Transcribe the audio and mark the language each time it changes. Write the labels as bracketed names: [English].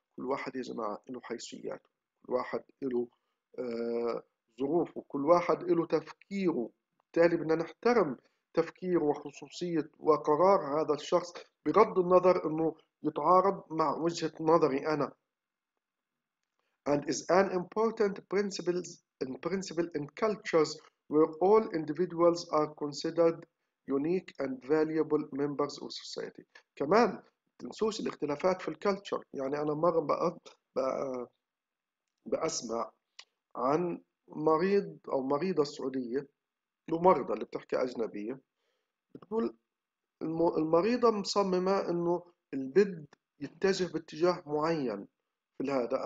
[Arabic] كل واحد يا جماعة له حيثياته، كل واحد له ظروفه، كل واحد له تفكيره، بالتالي بدنا نحترم تفكيره وخصوصية وقرار هذا الشخص بغض النظر إنه يتعارض مع وجهة نظري أنا. [English] And is an important principle in cultures where all individuals are considered unique and valuable members of society. [Arabic] كمان تنسوش الاختلافات في الكالتشر. يعني انا مره بسمع عن مريض او مريضه سعوديه، ومرضى اللي بتحكي اجنبيه، بتقول المريضه مصممه انه البيض يتجه باتجاه معين في هذا.